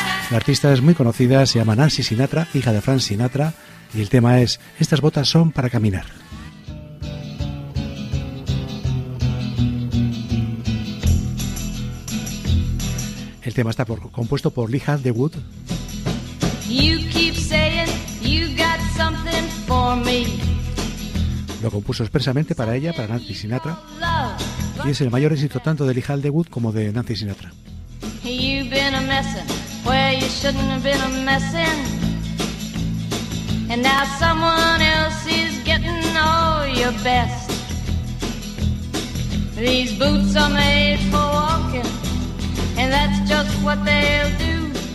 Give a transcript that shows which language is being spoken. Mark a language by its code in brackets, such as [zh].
[es] La artista es muy conocida, se llama Nancy Sinatra, hija de Frank Sinatra, y el tema es Estas botas son para caminar. El tema está compuesto por Lee Hazlewood. [en] You keep saying you got something for me. [es] Lo compuso expresamente para ella, para Nancy Sinatra. Y es el mayor éxito tanto de Lee Hazlewood como de Nancy Sinatra. [en] You've been a messin' where you shouldn't have been a messin'. And now someone else is getting all your best. These boots are made for walking. And that's just what they'll do.